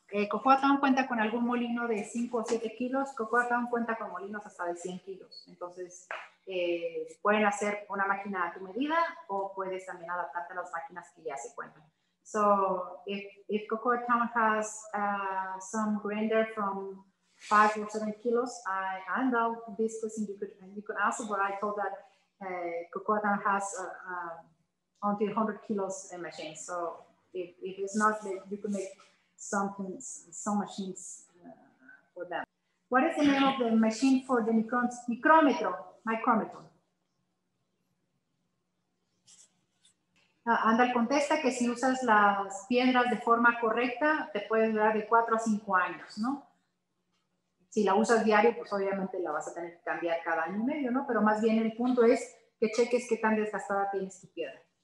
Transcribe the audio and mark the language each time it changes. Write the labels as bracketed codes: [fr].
[es] Cocoa Town cuenta con algún molino de 5 o 7 kilos. Cocoa Town cuenta con molinos hasta de 100 kilos. Entonces, pueden hacer una máquina a tu medida o puedes también adaptarte a las máquinas que ya se cuentan. [en] So, if Cocoa Town has some grinder from 5 or 7 kilos, I know this question you could ask, but I thought that Cocoa Town has until 100 kilos a machine. So, if it's not, you can make something, some machines for them. What is the name of the machine for the micrometer? [es] Andal contesta que si usas las piedras de forma correcta, te puedes durar de 4 a 5 años, ¿no? Si la usas diario, pues obviamente la vas a tener que cambiar cada año y medio, ¿no? Pero más bien el punto es que cheques qué tan desgastada tienes tu piedra.